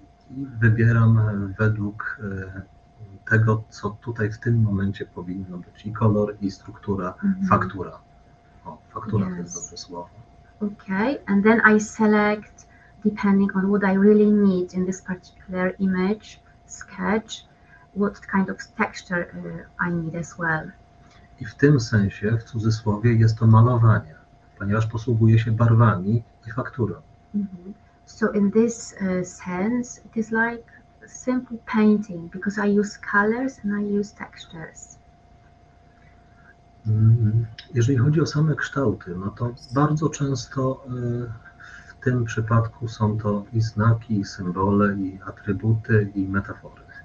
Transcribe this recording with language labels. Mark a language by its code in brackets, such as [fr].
[pl] I wybieram według tego, co tutaj w tym momencie powinno być, i kolor, i struktura, faktura. O, faktura to jest dobre słowo. [en] Okay, and then I select, depending on what I really need in this particular image, sketch, what kind of texture I need as well. [pl] I w tym sensie, w cudzysłowie, jest to malowanie, ponieważ posługuje się barwami i fakturą. [en] So in this sense, it is like simple painting, because I use colors and I use textures. [pl] Jeżeli chodzi o same kształty, no to bardzo często w tym przypadku są to i znaki, i symbole, i atrybuty, i metafory.